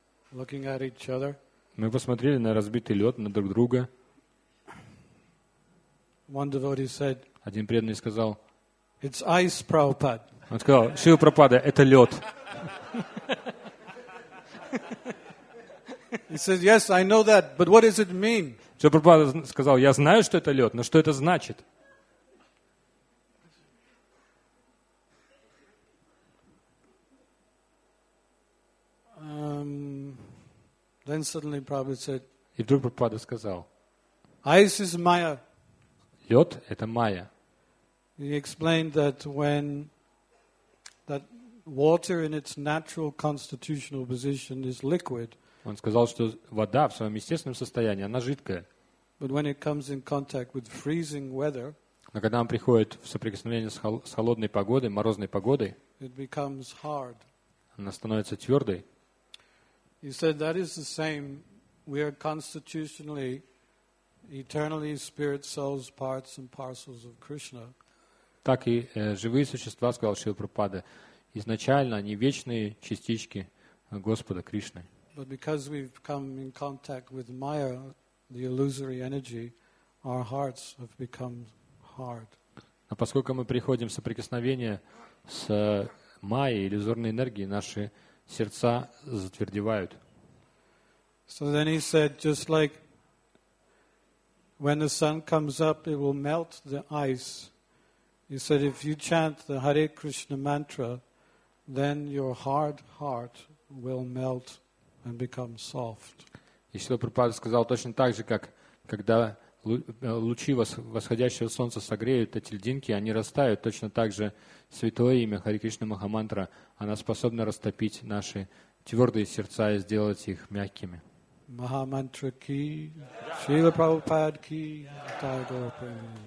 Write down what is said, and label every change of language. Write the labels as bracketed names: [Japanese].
[Russian] Мы посмотрели на разбитый лед, на друг друга. Один преданный сказал, [English] it's ice, Prabhupada. [Russian] Он сказал, Шрила Прабхупада, это лед. [English] He says, "Yes, I know that, but what does it mean?" [Russian] Шрила Прабхупада сказал, "Я знаю, что это лед, но что это значит?" [English] Then suddenly Prabhupada said, [Russian] и вдруг Прабхупада сказал, [English] "Ice is Maya." [Russian] Лед – это Майя. [English] He explained that when that water in its natural constitutional position is liquid. [Russian] Он сказал, что вода в своем естественном состоянии, она жидкая. [English] But when it comes in contact with freezing weather, [Russian] но когда она приходит в соприкосновение с холодной погодой, морозной погодой, [English] it becomes hard. [Russian] Она становится твердой. [English] He said that is the same. We are constitutionally, eternally spirit souls, parts and parcels of Krishna. [Russian] Так и живые существа, сказал Шрила Прабхупада, изначально они вечные частички Господа Кришны. [English] But because we've come in contact with Maya, the illusory energy, our hearts have become hard. [Russian] Но поскольку мы приходим в соприкосновение с Майей, иллюзорной энергией, наши сердца затвердевают. [English] So then he said, just like when the sun comes up, it will melt the ice. He said, if you chant the Hare Krishna mantra, then your hard heart will melt and become soft. [Russian] И Шрила Прабхупада сказал точно так же, как когда лучи восходящего солнца согреют эти льдинки, они растают. Точно так же святое имя Хари Кришна Махамантра, она способна растопить наши твердые сердца и сделать их мягкими. Махамантра ки, Шрила Прабхупада ки, Тайгур Прабхупада.